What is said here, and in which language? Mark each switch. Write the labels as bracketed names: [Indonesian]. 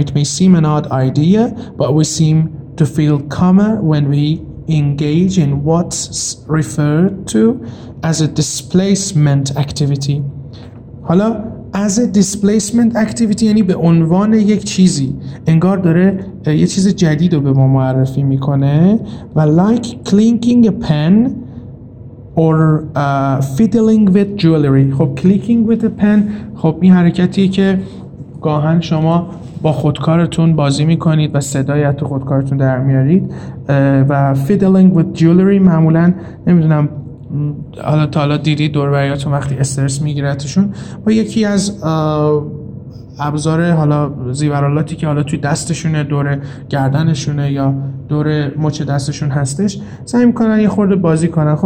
[English] It may seem an odd idea, but we seem to feel calmer when we engage in what's referred to as a displacement activity. [Persian] حالا [English] as a displacement activity [Persian] یعنی به عنوان یک چیزی، انگار داره یه چیز جدید رو به ما معرفی میکنه. [English] و like clinking a pen or fiddling with jewelry. [Persian] خب [English] clicking with a pen، [Persian] خب این حرکتیه که گاهن شما با خودکارتون بازی میکنید و صدای از خودکارتون در میارید. و [English] fiddling with jewelry [Persian] معمولا، نمیدونم حالا تا حالا دیدید دور بریاتون وقتی استرس میگیرتشون با یکی از ابزار حالا زیورالاتی که حالا توی دستشونه، دور گردنشونه یا دور مچ دستشون هستش، سعی میکنن یه خورده بازی کنن.